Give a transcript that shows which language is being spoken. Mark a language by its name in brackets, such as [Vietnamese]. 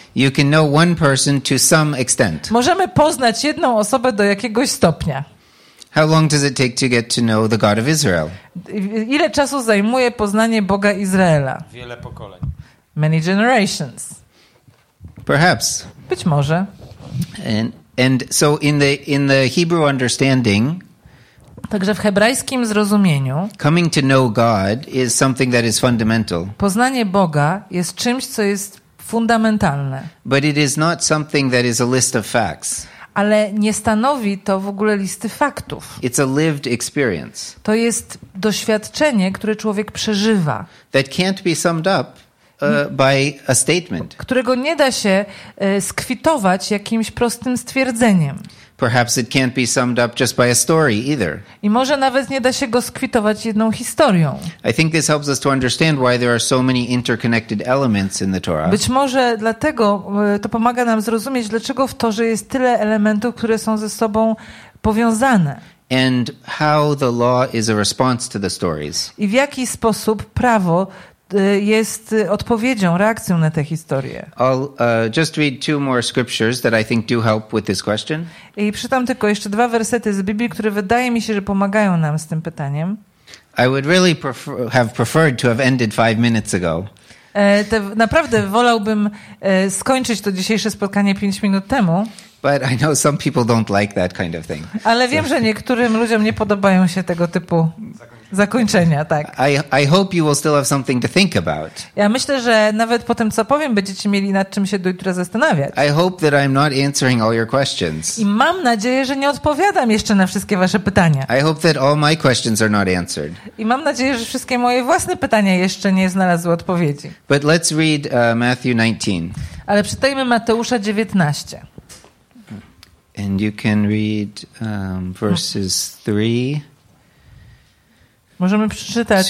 [English] You can know one person to some extent. [Polish] Możemy poznać jedną osobę do jakiegoś stopnia. [English] How long does it take to get to know the God of Israel? [Polish] Ile czasu zajmuje poznanie Boga Izraela? Wiele pokoleń. [English] Many generations. Perhaps. [Polish] Być może. [English] And so in the Hebrew understanding. [Polish] Także w hebrajskim zrozumieniu [English] coming to know God is something that is fundamental. [Polish] Poznanie Boga jest czymś, co jest fundamentalne. [English] But it is not something that is a list of facts. [Polish] Ale nie stanowi to w ogóle listy faktów. [English] It's a lived experience. [Polish] To jest doświadczenie, które człowiek przeżywa. [English] That can't be summed up by a statement. [Polish] Którego nie da się skwitować jakimś prostym stwierdzeniem. [English] Perhaps it can't be summed up just by a story either. [Polish] I może nawet nie da się go skwitować jedną historią. [English] I think this helps us to understand why there are so many interconnected elements in the Torah. [Polish] Być może dlatego to pomaga nam zrozumieć, dlaczego w Torze jest tyle elementów, które są ze sobą powiązane. [English] And how the law is a response to the stories. [Polish] I w jaki sposób prawo jest odpowiedzią, reakcją na tę historię. [English] I'll just read two more scriptures that I think do help with this question. [Polish] I przeczytam tylko jeszcze dwa wersety z Biblii, które wydaje mi się, że pomagają nam z tym pytaniem. [English] I would really have preferred to have ended 5 minutes ago. [Polish] Naprawdę wolałbym skończyć to dzisiejsze spotkanie 5 minut temu. [English] But I know some people don't like that kind of thing. [Polish] Ale wiem, że niektórym ludziom nie podobają się tego typu zakończenia, tak. [English] I hope you will still have something to think about. [Polish] Ja myślę, że nawet po tym, co powiem, będziecie mieli nad czym się do jutra zastanawiać. [English] I hope that I'm not answering all your questions. [Polish] I mam nadzieję, że nie odpowiadam jeszcze na wszystkie wasze pytania. [English] I hope that all my questions are not answered. [Polish] I mam nadzieję, że wszystkie moje własne pytania jeszcze nie znalazły odpowiedzi. [English] But let's read Matthew 19. [Polish] Ale przeczytajmy Mateusza 19. [English] And you can read verses 3. [Polish] Możemy przeczytać